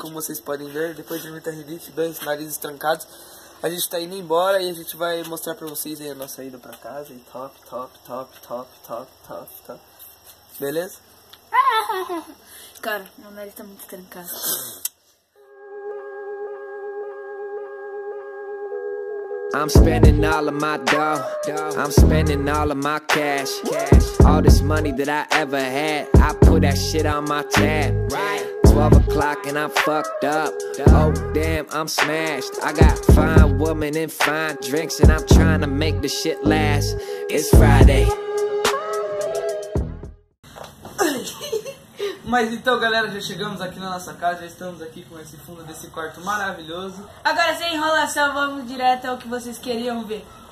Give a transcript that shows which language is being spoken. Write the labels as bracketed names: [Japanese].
[Portuguese] Como vocês podem ver, depois de muita rinite, dois narizes trancados, a gente tá indo embora e a gente vai mostrar pra vocês aí a nossa ida pra casa. E top, top, top, top, top, top, top. Beleza? Cara, meu nariz tá muito trancado. [English] I'm spending all of my dough, I'm spending all of my cash, all this money that I ever had, I put that shit on my tab, 12 o'clock and I'm fucked up, oh damn, I'm smashed, I got fine woman and fine drinks and I'm trying to make this shit last, it's Friday. [Portuguese] Mas então, galera, já chegamos aqui na nossa casa, já estamos aqui com esse fundo desse quarto maravilhoso. Agora, sem enrolação, vamos direto ao que vocês queriam ver.